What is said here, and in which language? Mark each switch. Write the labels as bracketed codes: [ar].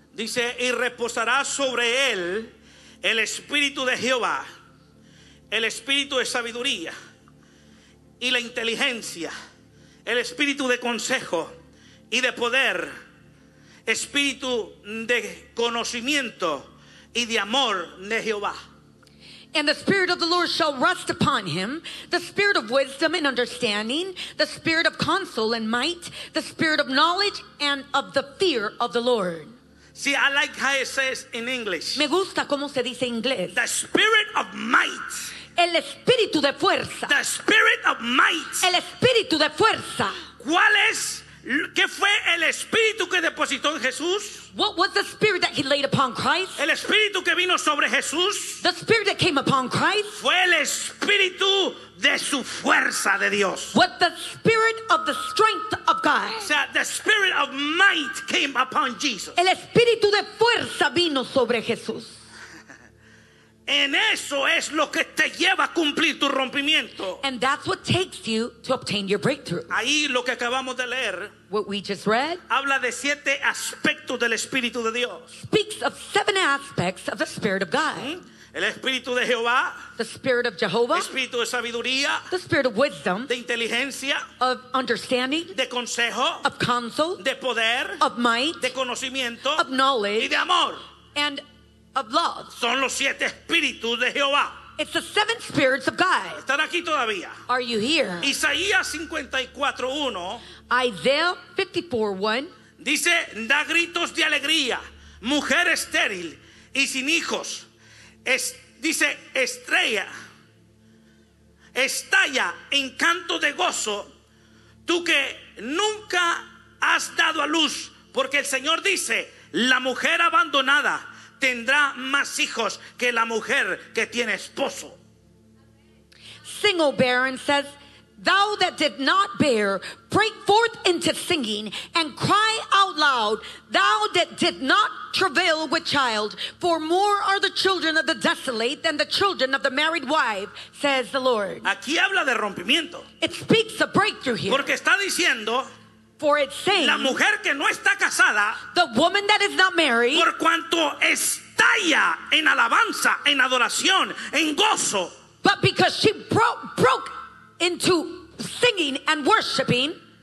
[es] Dice, y reposará sobre él el Espíritu de Jehová, el Espíritu de sabiduría y la inteligencia, el Espíritu de consejo y de poder, Espíritu de conocimiento y de amor de Jehová. [en] And the Spirit of the Lord shall rest upon him, the Spirit of wisdom and understanding, the Spirit of counsel and might, the Spirit of knowledge and of the fear of the Lord. See, I like how it says in English. [es] Me gusta cómo se dice en inglés. [en] The Spirit of might. [es] El Espíritu de fuerza. [en] The Spirit of might. [es] El Espíritu de fuerza. ¿Cuál es? ¿Qué fue el Espíritu que depositó en Jesús? [en] What was the Spirit that he laid upon Christ? [es] El Espíritu que vino sobre Jesús. [en] The Spirit that came upon Christ. [es] Fue el Espíritu de su fuerza de Dios. [en] What the Spirit of the strength of God. [es] O sea, [en] the Spirit of might came upon Jesus. [es] El Espíritu de fuerza vino sobre Jesús. En eso es lo que te lleva a cumplir tu rompimiento. [en] And that's what takes you to obtain your breakthrough. [es] Ahí lo que acabamos de leer. [en] What we just read. [es] Habla de siete aspectos del Espíritu de Dios. [en] Speaks of seven aspects of the Spirit of God. [es] El Espíritu de Jehová. [en] The Spirit of Jehovah. [es] Espíritu de sabiduría. [en] The Spirit of wisdom. [es] De inteligencia. [en] Of understanding. [es] De consejo. [en] Of counsel. [es] De poder. [en] Of might. [es] De conocimiento. [en] Of knowledge. [es] Y de amor. [en] And of love. [es] Son los siete espíritus de Jehová. [en] It's the seven spirits of God. [es] ¿Están aquí todavía? [en] Are you here? [es] Isaías 54:1. [en] Isaiah 54:1. [es] Dice, da gritos de alegría, mujer estéril y sin hijos. Dice, estrella, estalla en canto de gozo, tú que nunca has dado a luz, porque el Señor dice, la mujer abandonada tendrá más hijos que la mujer que tiene esposo. [en] Sing, O barren, says, thou that did not bear, break forth into singing, and cry out loud, thou that did not travail with child, for more are the children of the desolate than the children of the married wife, says the Lord. [es] Aquí habla de rompimiento. [en] It speaks of breakthrough here. [es] Porque está diciendo, [en] for it saying, [es] la mujer que no está casada, [en] the woman that is not married, [es] por cuanto estalla en alabanza, en adoración, en gozo, [en] but because she broke into singing and worshiping,